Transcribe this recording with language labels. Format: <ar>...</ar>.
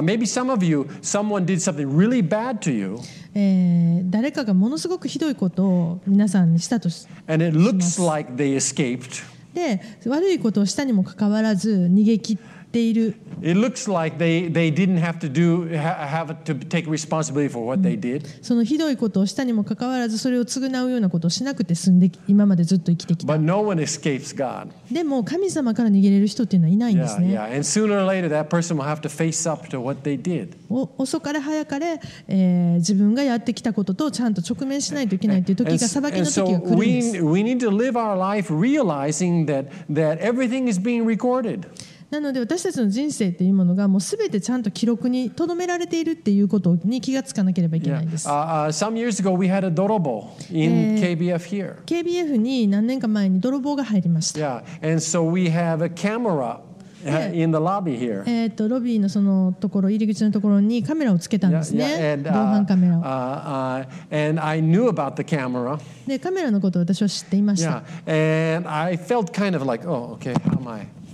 <en>Maybe some of you, someone did something really bad to you.</en> <ja>誰かがものすごくひどいことを皆さんにしたとします。</ja> <en>And it looks like they escaped.</en> <ja>で、悪いことをしたにもかかわらず逃げ切っている。</ja> <en>It looks like they didn't have to take responsibility for what they did.</en> <ja>そのひどいことをしたにもかかわらずそれを償うようなことをしなくて済んで今までずっと生きてきた。</ja> <en>But no one escapes God.</en> <ja>でも神様から逃げれる人っていうのはいないんですね。</ja> <en>Yeah, yeah. And sooner or later that person will have to face up to what they did.</en> <ja>遅かれ早かれ、自分がやってきたこととちゃんと直面しないといけないっていう時が裁きの時が来るんです。</ja> <en>And so we need to live our life realizing that everything is being recorded.</en> <ja>なので私たちの人生というものがもう全てちゃんと記録に留められているということに気がつかなければいけないんです。</ja> <en>Yeah. Some years ago we had a 泥棒 in KBF here.</en> <ja>KBF に何年か前に泥棒が入りました。</ja> <en>Yeah. And so we have a camera in the lobby here.</en> <ja>ロビーのそのところ入り口のところにカメラをつけたんですね。</ja> <en>Yeah, yeah. And,</en> <ja>防犯カメラを。</ja> <en>And I knew about the camera.</en> <ja>でカメラのことを私は知っていました。</ja> <en>Yeah. And I felt kind of like, oh, okay, how am I?</en>